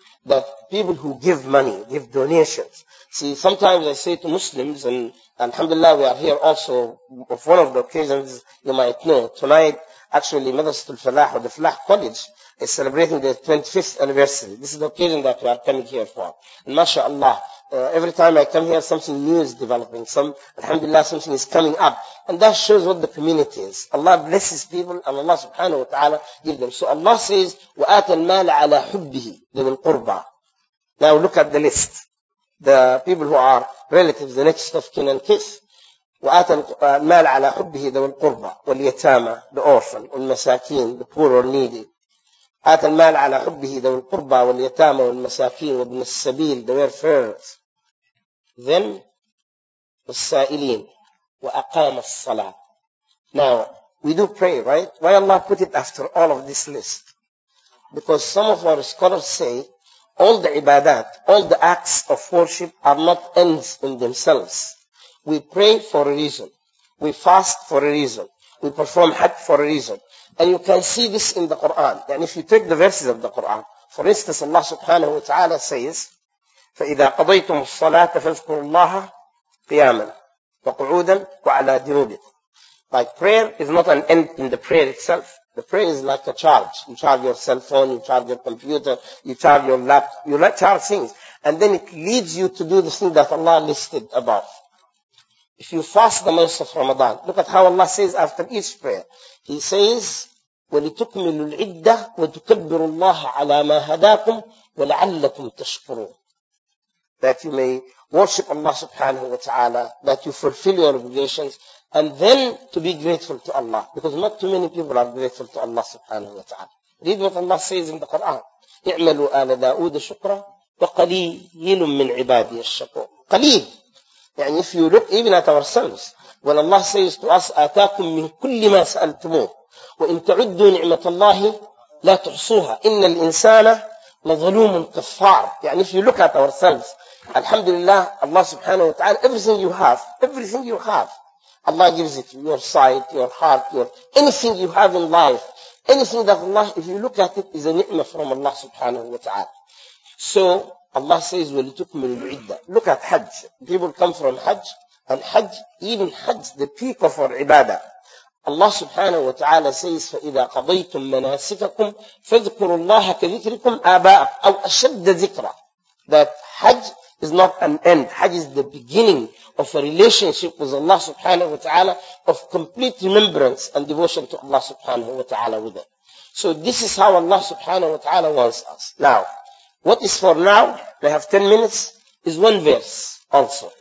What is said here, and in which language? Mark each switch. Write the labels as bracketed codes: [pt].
[en] That people who give money, give donations. See, sometimes I say to Muslims, and alhamdulillah, we are here also, of one of the occasions you might know, tonight, actually, Madrasatul Falah, or the Falah College, is celebrating their 25th anniversary. This is the occasion that we are coming here for. And mashallah, every time I come here, something new is developing. Alhamdulillah, something is coming up. And that shows what the community is. Allah blesses people, and Allah subhanahu wa ta'ala gives them. So Allah says, [ar] وَآتَ الْمَالَ عَلَى حُبِّهِ ذِوِ الْقُرْبَى. Now look at the list. The people who are relatives, the next of kin and kith. وَآتَ الْمَالَ عَلَى حُبِّهِ ذِوِ الْقُرْبَى. [en] وَالْيَتَامَى, the orphan, وَالْمَسَاكِينَ, the poor or needy. [ar] آتى المال على حبه ذوي القربى واليتامى والمساكين وابن السبيل [en] the welfare. [ar] Then والسائلين وأقام الصلاة. [en] Now we do pray, right? Why Allah put it after all of this list? Because some of our scholars say all the ibadat, all the acts of worship are not ends in themselves. We pray for a reason. We fast for a reason. We perform hajj for a reason. And you can see this in the Quran. And if you take the verses of the Quran, for instance, Allah subhanahu wa ta'ala says, [ar] فَإِذَا قَضَيْتُمُ الصَّلَاةَ فَاذْكُرُوا اللَّهَ قِيَامًا وَقُعُودًا وَعَلَىٰ جُنُوبِكُمْ. [en] Like prayer is not an end in the prayer itself. The prayer is like a charge. You charge your cell phone, you charge your computer, you charge your laptop, you charge things. And then it leads you to do the thing that Allah listed above. If you fast the months of Ramadan, look at how Allah says after each prayer. He says, [ar] وَلِتُكْمِلُوا الْعِدَّةِ وَتُكَبِّرُوا اللَّهَ عَلَىٰ مَا هَدَاكُمْ وَلَعَلَّكُمْ تَشْكُرُونَ. [en] That you may worship Allah subhanahu wa ta'ala, that you fulfill your obligations, and then to be grateful to Allah. Because not too many people are grateful to Allah subhanahu wa ta'ala. Read what Allah says in the Quran. [ar] اِعْمَلُوا آلَ دَاوُدَ شُكْرًا وَقَلِيلٌ مِّنْ عِبَادِيَ الشَّكُورُ. قليل. [en] And if you look even at ourselves, when Allah says to us, [ar] آتَاكُم مِّنْ كُلِّ مَا سَأَلْتُمُوهُ وَإِن تَعُدُّوا نِعْمَةَ اللَّهِ لَا تُحْصُوهَا إِنَّ الْإِنسَانَ لَظَلُومٌ كَفَّارٌ. [en] يعني if you look at ourselves, alhamdulillah, Allah subhanahu wa ta'ala, everything you have, Allah gives it to you, your sight, your heart, your anything you have in life, anything that Allah, if you look at it, is a ni'mah from Allah subhanahu wa ta'ala. So, Allah says, [ar] وَلِتُكْمِلُ الْعِدَّةِ. [en] Look at hajj. People come from hajj, and hajj, even hajj, the peak of our ibadah. Allah subhanahu wa ta'ala says, [ar] فَإِذَا قَضَيْتُم مَنَاسِكَكُمْ فَذْكُرُوا اللَّهَ كَذِكْرِكُمْ آبَاءَكُمْ أَوْ أَشَدَّ ذِكْرًا. [en] That hajj is not an end. Hajj is the beginning of a relationship with Allah subhanahu wa ta'ala, of complete remembrance and devotion to Allah subhanahu wa ta'ala with it. So this is how Allah subhanahu wa ta'ala wants us. Now, what is for now, we have 10 minutes, is one verse also.